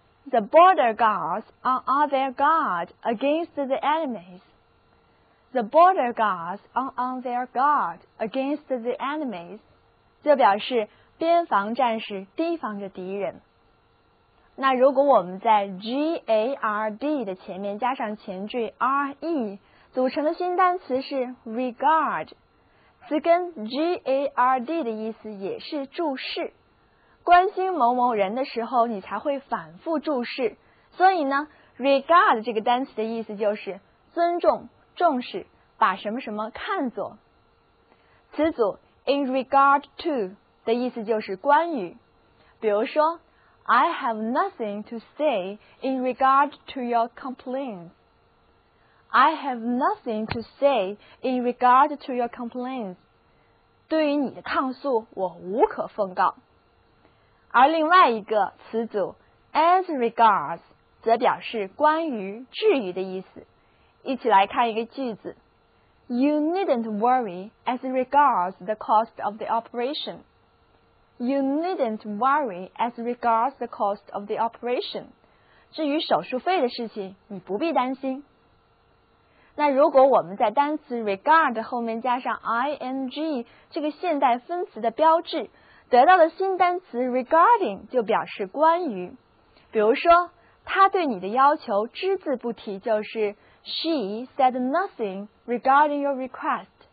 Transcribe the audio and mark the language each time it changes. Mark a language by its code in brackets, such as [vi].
[en] The border guards are on their guard against the enemies. The border guards are on their guard against the enemies. [zh] 就表示边防战士提防着敌人。那如果我们在 GARD 的前面加上前缀 RE， 组成的新单词是 regard， 词根 GARD 的意思也是注视。关心某某人的时候你才会反复注视，所以呢 regard 这个单词的意思就是尊重重视，把什么什么看作。词组 in regard to 的意思就是关于。比如说 [en] I have nothing to say in regard to your complaints. I have nothing to say in regard to your complaints. [zh] 对于你的抗诉我无可奉告。而另外一个词组 as regards 则表示关于至于的意思。一起来看一个句子。 [en] You needn't worry as regards the cost of the operation. You needn't worry as regards the cost of the operation. [zh] 至于手术费的事情你不必担心。那如果我们在单词 regard 后面加上 ing 这个现代分词的标志，得到的新单词 regarding 就表示关于。比如说他对你的要求只字不提，就是 [en] She said nothing regarding your request.